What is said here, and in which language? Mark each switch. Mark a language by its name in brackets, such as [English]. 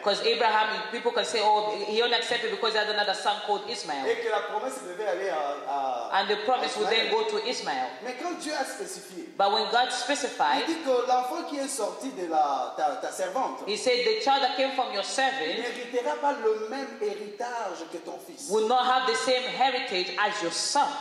[English] Because Abraham, people can say, oh, he only accepted because he had another son called Ismaël. [French] Et que la promesse devait aller à [English] and the promise would then go to Ismaël. [French] Mais quand Dieu a spécifié, [English] but when God specified, [French] il dit que l'enfant qui est sorti de la ta servante, [English] he said the child that came from your servant, [French] n'héritera pas le même héritage que ton fils. [English] Will not have the same heritage as your son.